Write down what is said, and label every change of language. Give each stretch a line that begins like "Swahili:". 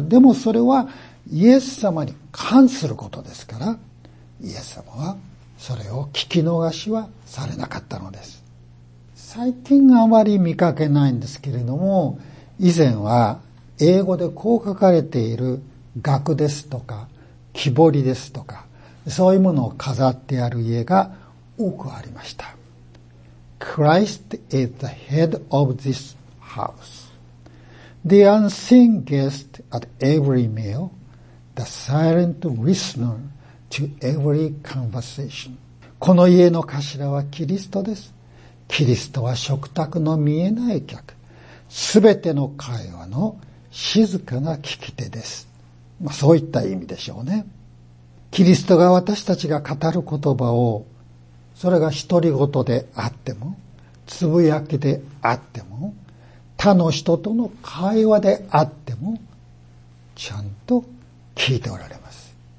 Japanese: でもそれはイエス様に関することですから、イエス様はそれを聞き逃しはされなかったのです。最近あまり見かけないんですけれども、以前は英語でこう書かれている額ですとか木彫りですとか、そういうものを飾ってある家が多くありました。
English: Christ is the head of this house. The unseen guest at every meal, the silent listener to every conversation.
Japanese: この家の頭はキリストです。キリストは食卓の見えない客、すべての会話の静かな聞き手です。まあそういった意味でしょうね。キリストが私たちが語る言葉を、それが独り言であっても、つぶやきであっても、他の人との会話であっても、ちゃんと聞いておられます。